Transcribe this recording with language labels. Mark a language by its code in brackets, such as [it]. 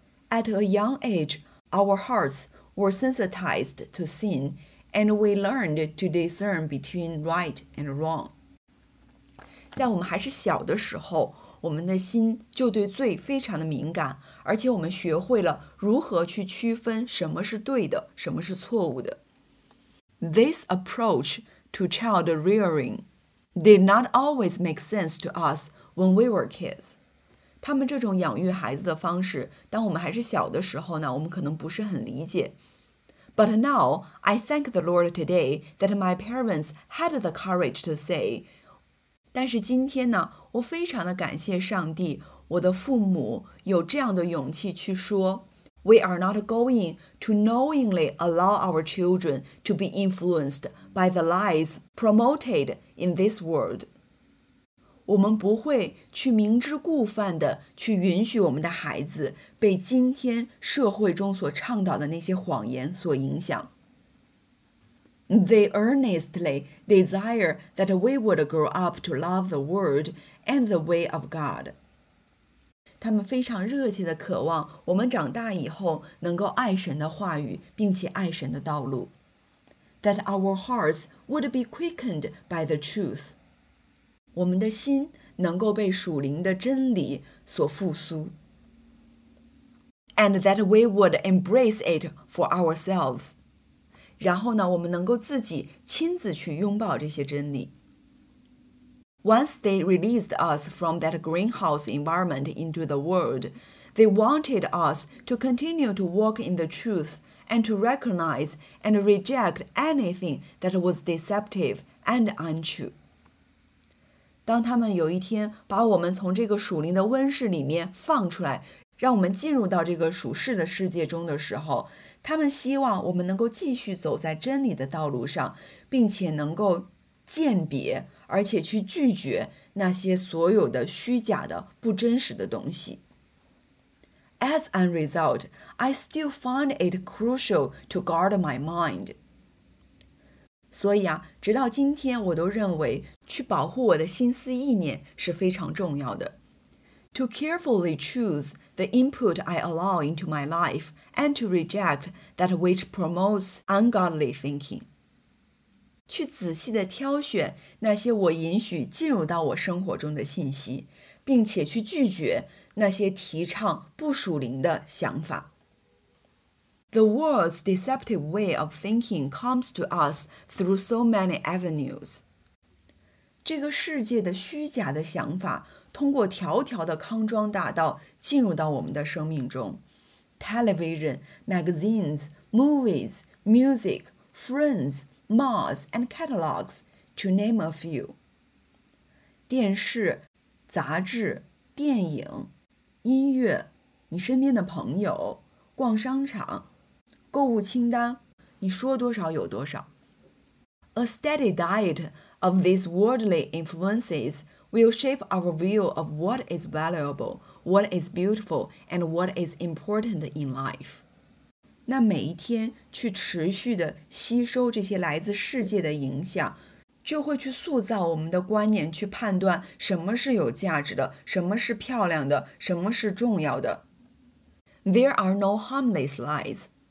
[en] At a young age, our hearts... were sensitized to sin, and we learned to discern between right and wrong. [zh] 在我们还是小的时候，我们的心就对罪非常的敏感，而且我们学会了如何去区分什么是对的，什么是错误的。 [en] This approach to child rearing did not always make sense to us when we were kids. [zh] 他们这种养育孩子的方式，当我们还是小的时候呢，我们可能不是很理解。 [en] But now, I thank the Lord today that my parents had the courage to say. [zh] 但是今天呢，我非常的感谢上帝，我的父母有这样的勇气去说。 [en] We are not going to knowingly allow our children to be influenced by the lies promoted in this world. [zh] 我们不会去明知故犯的去允许我们的孩子被今天社会中所倡导的那些谎言所影响。 [en] They earnestly desire that we would grow up to love the word and the way of God. [zh] 他们非常热切的渴望我们长大以后能够爱神的话语，并且爱神的道路。 [en] That our hearts would be quickened by the truth. [zh] 我们的心能够被属灵的真理所复苏。 [en] And that we would embrace it for ourselves. [zh] 然后呢，我们能够自己亲自去拥抱这些真理。 [en] Once they released us from that greenhouse environment into the world, they wanted us to continue to walk in the truth and to recognize and reject anything that was deceptive and untrue. [zh] 当他们有一天把我们从这个属灵的温室里面放出来，让我们进入到这个属世的世界中的时候，他们希望我们能够继续走在真理的道路上，并且能够鉴别，而且去拒绝那些所有的虚假的、不真实的东西。 [en] As a result, I still find it crucial to guard my mind. [zh] 所以啊，直到今天我都认为去保护我的心思意念是非常重要的。 [en] To carefully choose the input I allow into my life and to reject that which promotes ungodly thinking. [zh] 去仔细地挑选那些我允许进入到我生活中的信息，并且去拒绝那些提倡不属灵的想法。 [en] The world's deceptive way of thinking comes to us through so many avenues. [zh] 这个世界的虚假的想法通过条条的康庄大道进入到我们的生命中。 [en] Television, magazines, movies, music, friends, malls, and catalogs, to name a few. [zh] 电视、杂志、电影、音乐、你身边的朋友、逛商场。购物清单，你说多少有多少。 [en] A steady diet of these worldly influences will shape our view of what is valuable, what is beautiful, and what is important in life. [zh] 那每一天去持续的吸收这些来自世界的影响，就会去塑造我们的观念，去判断什么是有价值的，什么是漂亮的，什么是重要的。 [en] There are no harmless lies.